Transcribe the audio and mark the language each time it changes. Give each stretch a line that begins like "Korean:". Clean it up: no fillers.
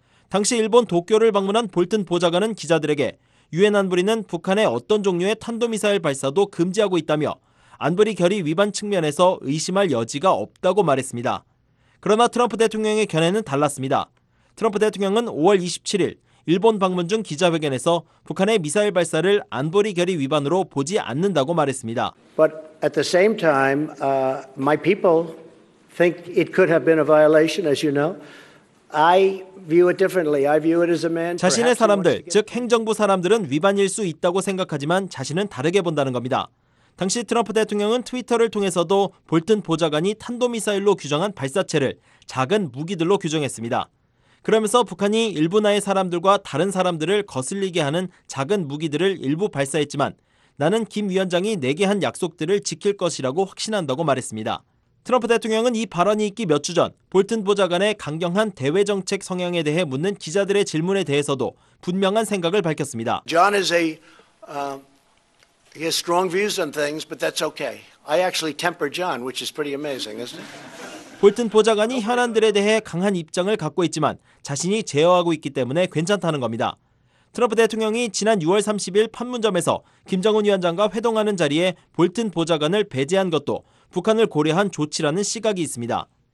Korean: 당시 일본 도쿄를 방문한 볼튼 보좌관은 기자들에게 유엔 안보리는 북한의 어떤 종류의 탄도미사일 발사도 금지하고 있다며 안보리 결의 위반 측면에서 의심할 여지가 없다고 말했습니다. 그러나 트럼프 대통령의 견해는 달랐습니다. 트럼프 대통령은 5월 27일 일본 방문 중 기자회견에서 북한의 미사일 발사를 안보리 결의 위반으로 보지 않는다고 말했습니다.
English: But at the same time, my people think it could have been a violation, as you know. I view it differently. I view it as a man.
Korean: 자신의 사람들, 즉 행정부 사람들은 위반일 수 있다고 생각하지만 자신은 다르게 본다는 겁니다. 당시 트럼프 대통령은 트위터를 통해서도 볼튼 보좌관이 탄도미사일로 규정한 발사체를 작은 무기들로 규정했습니다. 그러면서 북한이 일부 나의 사람들과 다른 사람들을 거슬리게 하는 작은 무기들을 일부 발사했지만 나는 김 위원장이 내게 한 약속들을 지킬 것이라고 확신한다고 말했습니다. 트럼프 대통령은 이 발언이 있기 몇 주 전 볼튼 보좌관의 강경한 대외 정책 성향에 대해 묻는 기자들의 질문에 대해서도 분명한 생각을 밝혔습니다.
English: John is a he has strong views on things, but that's okay. I actually temper John, which is pretty amazing, isn't it?
Korean: 볼튼 보좌관이 현안들에 대해 강한 입장을 갖고 있지만 자신이 제어하고 있기 때문에 괜찮다는 겁니다. 트럼프 대통령이 지난 6월 30일 판문점에서 김정은 위원장과 회동하는 자리에 볼튼 보좌관을 배제한 것도 북한을 고려한 조치라는 시각이 있습니다.